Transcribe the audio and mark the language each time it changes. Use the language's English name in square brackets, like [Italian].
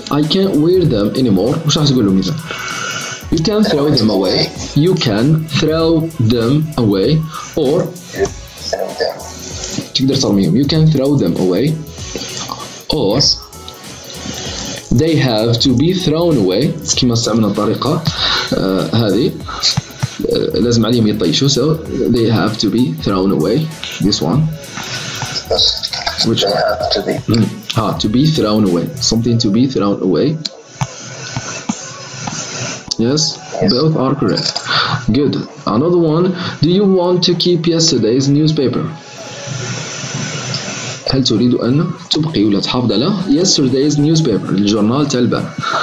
[English] I can't wear them anymore. What should I say to them? You can throw them away. You can throw them away, or you can throw them away, or they have to be thrown away. [Arabic] كما استعملنا الطريقة هذه لازم عليهم يطيشوا. [English] So they have to be thrown away. This one. Which one? To be thrown away. Something to be thrown away. Yes, both are correct. Good. Another one. Do you want to keep yesterday's newspaper? [Arabic] هل تريد أن تبقي ولا تحافظ على [English] yesterday's newspaper, [Arabic] الجورنال تاع البارح؟